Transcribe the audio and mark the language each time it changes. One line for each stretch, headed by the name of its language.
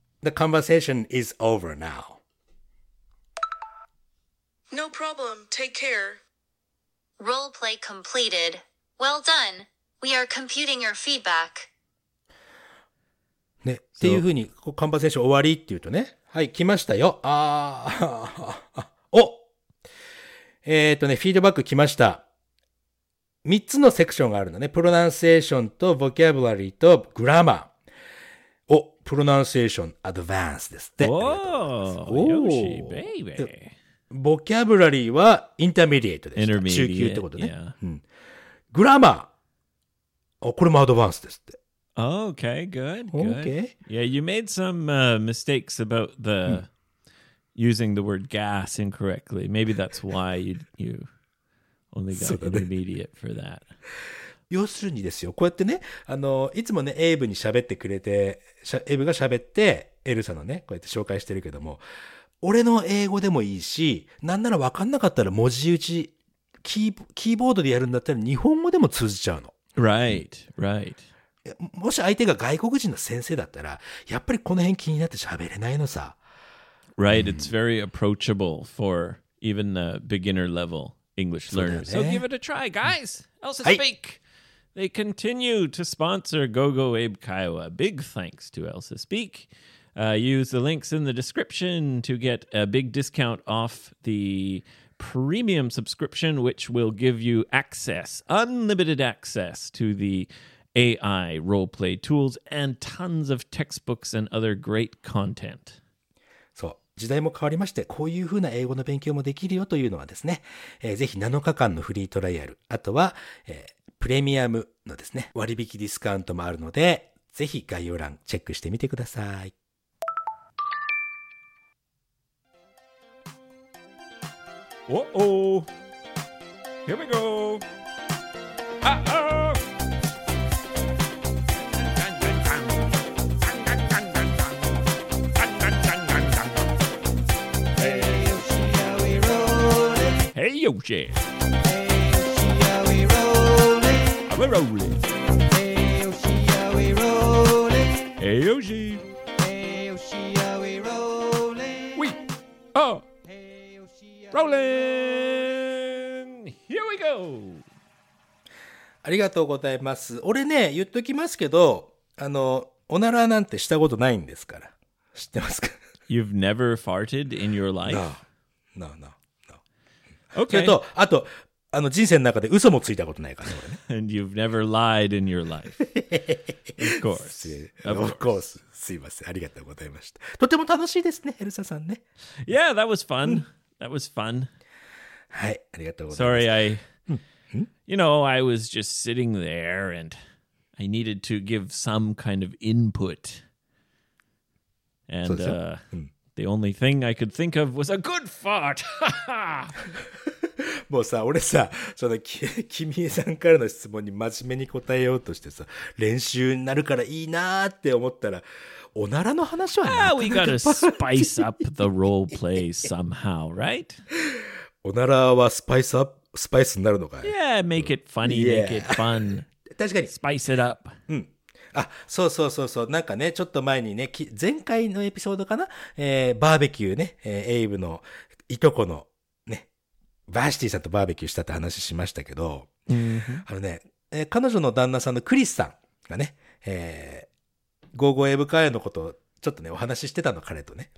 English: The conversation is over now. No problem. Take care. Role play completed. Well done. We are computing your feedback.
Japanese: ね、っていうふうに、こう、カンバセーション終わりっていうとね。はい、来ましたよ。ああ、お、ね、フィードバック来ました。三つのセクションがあるのね。プロナンセーションとボキャブラリーとグラマー。お、プロナンセーションアドバンスですって。おー、ヨシー、ベイベー。ボキャブラリーはインターミディエイトでした。中級ってことね。
English: Yeah.
Japanese: うん、グラマー。お、これもアドバンスですって。
English: Okay, good, good. Okay. Yeah, you made some mistakes about the using the word gas incorrectly. Maybe that's why you only got intermediate for that.
Japanese: 要するにですよ、こうやってね、あのいつもね、エイブに喋ってくれて、エイブが喋ってエルサのね、こうやって紹介してるけども、俺の英語でもいいし、なんなら分かんなかったら文字打ちキーボードでやるんだったら日本語でも通じちゃうの。
English: Right, right.
Japanese: もし相手が外国人の先生だったら、やっぱりこの辺気になって喋れないのさ。
English: Right,、うん、it's very approachable for even the beginner level English learners. So give it a try, guys. Elsa Speak.、はい、They continue to sponsor GoGo Abe Kiowa. Big thanks to Elsa Speak.、use the links in the description to get a big discount off the premium subscription, which will give you access, unlimited access to theAI role play tools and tons of textbooks and other great content.
Japanese: そう、時代も変わりまして、こういうふうな英語の勉強もできるよというのはですね、ぜひ7日間のフリートライアル、あとは、プレミアムのですね、割引ディスカウントもあるので、ぜひ概要欄チェックしてみてください。
English: Uh-oh! Here we go! Uh-oh! Hey Yoshi! Hey Yoshi, are we rolling? Are we rolling? Hey Yoshi, are we rolling? Hey Yoshi! Hey Yoshi, are we rolling? We are hey, Yoshi, are rolling! Here we go!
Japanese: ありがとうございます。俺ね、言っときますけど、おならなんてしたことないんですから。知ってますか?
English: You've never farted in your life? No, no, no. Okay.
Japanese: それとあと人生の中で嘘もついたことないからね。
English: And you've never lied in your life. Of course. Of course.
Japanese: すいません。ありがとうございました。とても楽しいですね、エルサさんね。
English: Yeah, that was fun. That was fun.
Japanese: はい、ありがとうございます。
English: Sorry, you know, I was just sitting there and I needed to give some kind of input. And, The only thing I could think of was a good fart.
Japanese: もうさ、俺さ、その君江さんからの質問に真面目に答えようとしてさ、練習になるからいいなって思ったら、おならの話はなかな
English: か。We gotta spice up the role play somehow, right?
Japanese: おならはスパイスアップ、スパイスになるのかい?
English: Yeah, make it funny, make it fun.
Japanese: 確かに。
English: Spice it up.
Japanese: うん。あ、そうそうそうそう、なんかね、ちょっと前にね、前回のエピソードかな、バーベキューね、エイブのいとこのね、バーシティさんとバーベキューしたって話しましたけど、あのね、彼女の旦那さんのクリスさんがね、ゴーゴーエイブカイアのことをちょっとね、お話ししてたの、彼とね。